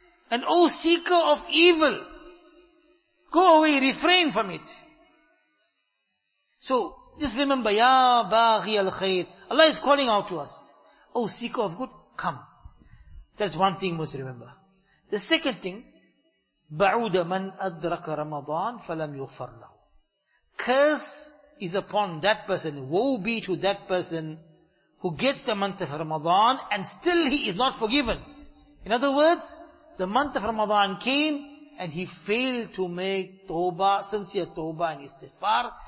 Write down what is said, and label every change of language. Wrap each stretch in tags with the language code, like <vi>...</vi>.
<en>And O seeker of evil, go away, refrain from it. So, just remember, ya baghi al khair. Allah is calling out to us. O seeker of good, come. That's one thing must remember. The second thing,</en> <ar>بَعُودَ مَنْ أَدْرَكَ رَمَضَانَ فَلَمْ يُغْفَرْ لَهُ.</ar> <en>Curse is upon that person. Woe be to that person who gets the month of Ramadan and still he is not forgiven. In other words, the month of Ramadan came and he failed to make tawbah, sincere tawbah and istighfar.</en>